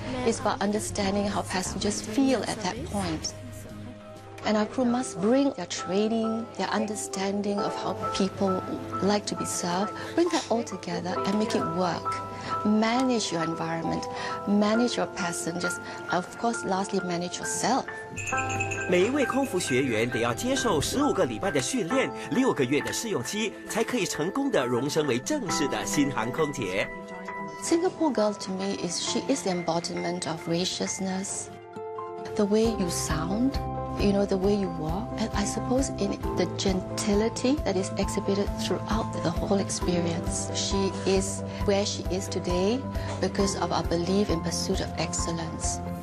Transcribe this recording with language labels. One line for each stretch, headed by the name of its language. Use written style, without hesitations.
English: It's about understanding how passengers feel at that point. And our crew must bring their training, their understanding of how people like to be served, bring that all together and make it work. Manage your environment, manage your passengers, of course, lastly, manage yourself.
Chinese: 每一位空服学员得要接受15个礼拜的训练，6个月的试用期，才可以成功的荣升为正式的新航空姐。
English: Singapore Girl to me is she is the embodiment of graciousness. The way you sound, you know, the way you walk, and I suppose in the gentility that is exhibited throughout the whole experience. She is where she is today because of our belief in pursuit of excellence.